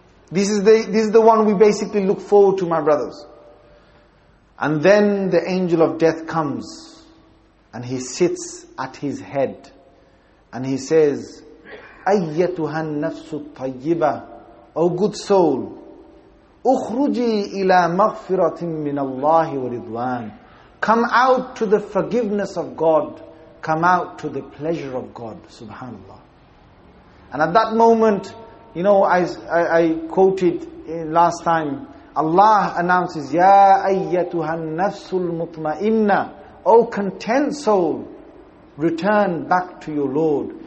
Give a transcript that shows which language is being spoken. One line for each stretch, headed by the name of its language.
English: This is the one we basically look forward to, my brothers. And then the angel of death comes, and he sits at his head, and he says,
Arabic: أَيَّتُهَا النَّفْسُ الطَّيِّبَةُ.
English: O good soul,
Arabic: أُخْرُجِي إِلَى مَغْفِرَةٍ مِّنَ اللَّهِ وَرِضْوَانِ.
English: Come out to the forgiveness of God, come out to the pleasure of God, subhanAllah. And at that moment, you know, I quoted last time, Allah announces,
Arabic: Ya ayyatuha nafsul mutmainna,
English: O content soul, return back to your Lord.